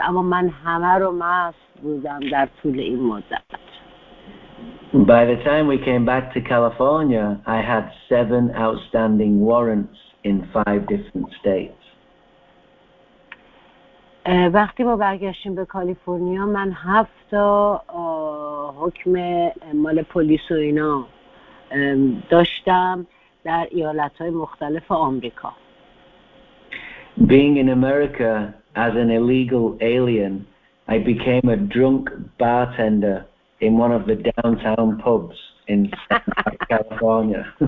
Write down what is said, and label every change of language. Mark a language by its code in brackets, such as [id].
[fa] اما من همه رو مست بودم در طول این مدت. [en] By the time we came back to California, I had 7 outstanding warrants in 5 different states. [fa] وقتی ما برگشتیم به کالیفرنیا من 7 تا حکم مال پلیس و اینا داشتم در ایالت‌های مختلف آمریکا. [en] Being in America as an illegal alien, I became a drunk bartender in one of the downtown pubs in California.